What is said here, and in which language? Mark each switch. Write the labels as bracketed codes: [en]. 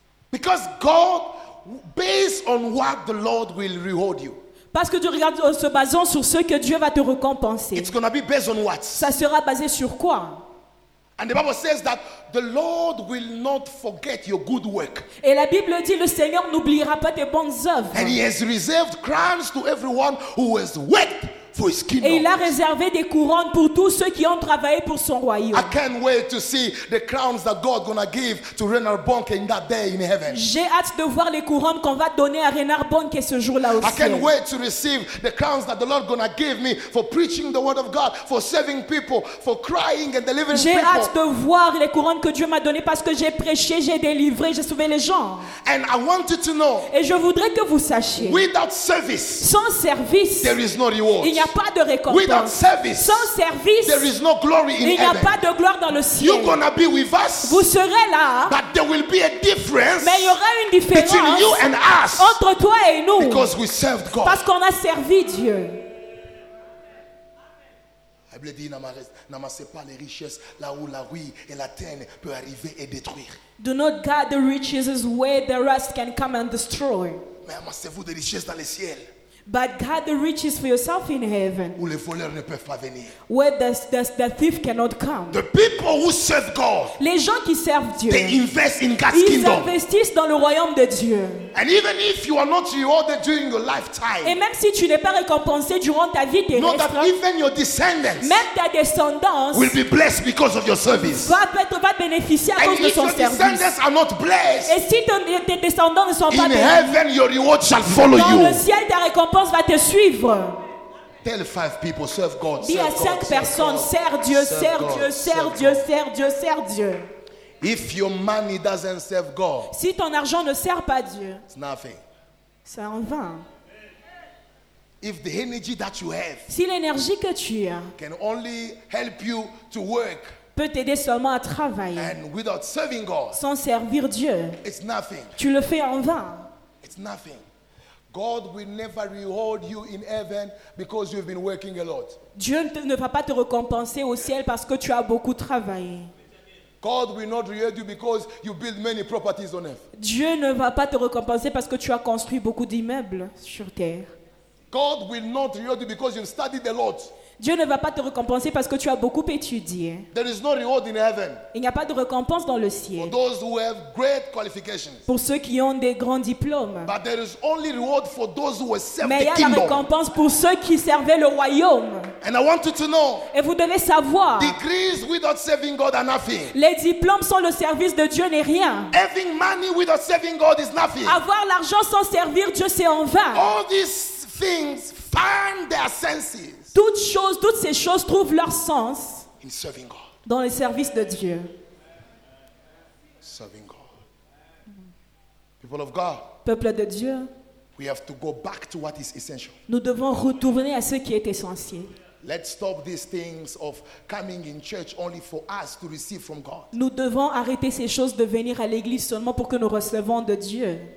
[en] Because God, based on what the Lord will reward you. [fr] Parce que tu regardes en se basant sur ce que Dieu va te récompenser. [en] It's gonna be based on what? [fr] Ça sera basé sur quoi? [en] And the Bible says that the Lord will not forget your good work. [fr] Et la Bible dit le Seigneur n'oubliera pas tes bonnes œuvres. [en] And he has reserved crowns to everyone who has worked for his kingdom. [fr] Et il a réservé des couronnes pour tous ceux qui ont travaillé pour son royaume. [en] I can't wait to see the crowns that God gonna give to Reinhard Bonke in that day in heaven. [fr] J'ai hâte de voir les couronnes qu'on va donner à Reinhard Bonke ce jour-là aussi. [en] I can't wait to receive the crowns that the Lord gonna give me for preaching the word of God, for serving people, for crying and delivering [fr] j'ai J'ai hâte de voir les couronnes que Dieu m'a donné parce que j'ai prêché, j'ai délivré, j'ai sauvé les gens. [en] And I want you to know. [fr] Et je voudrais que vous sachiez. [en] Without service. [fr] Sans service. [en] There is no reward. [fr] Pas de récompense. [en] Without service, [fr] sans service, [en] there is no glory in [fr] il n'y a [en] heaven. [fr] Pas de gloire dans le ciel. [en] You're gonna be with us, [fr] vous serez là, [en] but there will be a difference [fr] mais il y aura une différence [en] between you and us [fr] entre toi et nous [en] because we served God. [fr] Parce qu'on a servi Dieu. La Bible dit, n'amassez pas les richesses là où la rouille et la terre peut arriver et détruire. [en] Do not gather riches where the rust can come and destroy. [fr] Mais amassez-vous des richesses dans le ciel. [en] But gather riches for yourself in heaven. [fr] Où les voleurs ne peuvent pas venir. [en] Where the thief cannot come. The people who serve God. [fr] Les gens qui servent Dieu. [en] They invest in God's [fr] ils [en] kingdom. [fr] Ils investissent dans le royaume de Dieu. [en] And even if you are not rewarded during your lifetime. [fr] Et même si tu n'es pas récompensé durant ta vie terrestre. [en] Know that even your descendants. [fr] Même ta descendance. [en] Will be blessed because of your service. [fr] Va bénéficier à cause de son service. [en] And if your descendants are not blessed. [fr] Et si tes descendants ne sont pas bénis. [en] In heaven, your reward shall follow [fr] dans [en] you. [fr] Dans le ciel, ta récompense. Pense va te suivre. [en] Tell five people, serve God. [fr] Dis à cinq personnes, serre Dieu, serre Dieu, serre Dieu, serre Dieu, serre Dieu. [en] If your money doesn't serve God, [fr] si ton argent ne sert pas Dieu, [en] it's nothing. [fr] C'est en vain. [en] If the energy that you have, [fr] si l'énergie que tu as, [en] can only help you to work, [fr] peut t'aider seulement à travailler, [en] and without serving God, [fr] sans servir Dieu, [en] it's nothing. [fr] Tu le fais en vain. [en] It's nothing. God will never reward you in heaven because you've been working a lot. [fr] Dieu ne va pas te récompenser au ciel parce que tu as beaucoup travaillé. [en] God will not reward you because you build many properties on earth. [fr] Dieu ne va pas te récompenser parce que tu as construit beaucoup d'immeubles sur terre. [en] God will not reward you because you've studied a lot. [fr] Dieu ne va pas te récompenser parce que tu as beaucoup étudié. [en] There is no reward in heaven. [fr] Il n'y a pas de récompense dans le ciel. [en] For those who have great qualifications. [fr] Pour ceux qui ont des grands diplômes. [en] But there is only reward for those who serve the kingdom. [fr] Mais il y a la récompense pour ceux qui servaient le royaume. [en] And I want you to know. [fr] Et vous devez savoir. [en] Degrees without serving God are nothing. [fr] Les diplômes sans le service de Dieu n'est rien. [en] Having money without serving God is nothing. [fr] Avoir l'argent sans servir Dieu, c'est en vain. [en] All these things find their senses. [fr] Toutes ces choses trouvent leur sens [en] in serving God. [fr] Dans le service de Dieu. [en] Serving God. People of God, [fr] peuple de Dieu, [en] we have to go back to what is essential. [fr] Nous devons retourner à ce qui est essentiel. [en] Let's stop these things of coming in church only for us to receive from God. [fr] Nous devons arrêter ces choses de venir à l'église seulement pour que nous recevions de Dieu.